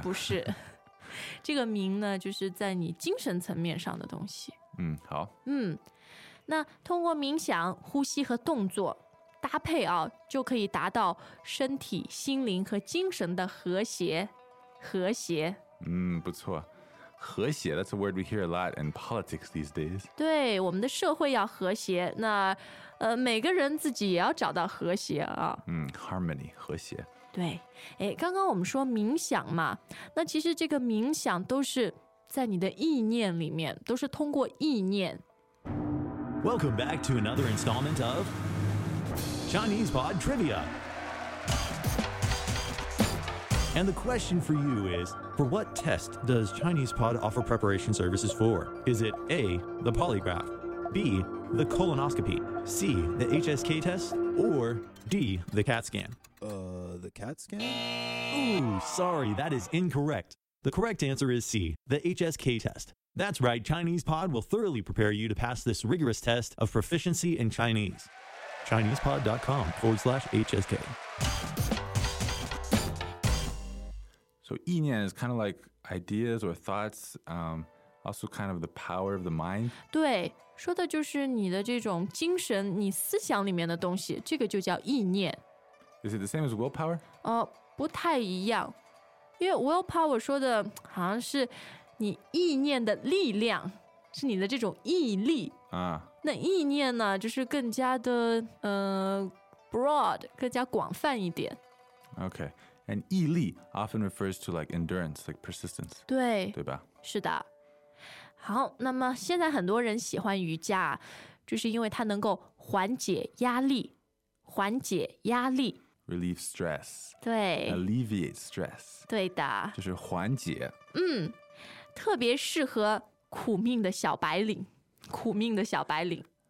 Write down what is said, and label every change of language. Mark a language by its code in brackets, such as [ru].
[zh] 不是。这个冥呢，就是在你精神层面上的东西。嗯，好。嗯，那通过冥想、呼吸和动作搭配啊，就可以达到身体、心灵和精神的和谐。和谐。嗯，不错。 [en] 和谐 ，That's a word we hear a lot in politics these days. [zh] 对，我们的社会要和谐，那每个人自己也要找到和谐啊。嗯 ，harmony， 和谐。对，哎，刚刚我们说冥想嘛，那其实这个冥想都是在你的意念里面，都是通过意念。 [en] Welcome back to another installment of ChinesePod Trivia. And the question for you is, for what test does ChinesePod offer preparation services for? Is it A, the polygraph, B, the colonoscopy, C, the HSK test, or D, the CAT scan? The CAT scan? Ooh, sorry, that is incorrect. The correct answer is C, the HSK test. That's right, ChinesePod will thoroughly prepare you to pass this rigorous test of proficiency in Chinese. ChinesePod.com/HSK. So 意念 is kind of like ideas or thoughts, also kind of the power of the mind. [zh] 对，说的就是你的这种精神，你思想里面的东西，这个就叫意念。 [en] Is it the same as willpower? [zh] 不太一样，因为 willpower 说的好像是你意念的力量，是你的这种毅力。那意念呢，就是更加的broad, 更加广泛一点。 [en] Okay, and 毅力 often refers to like endurance, like persistence. [zh] 对，对吧？是的。好，那么现在很多人喜欢瑜伽，就是因为它能够缓解压力。缓解压力 [en] Relieve stress [zh] 对 [en] Alleviate stress [zh] 对的就是缓解嗯特别适合苦命的小白领苦命的小白领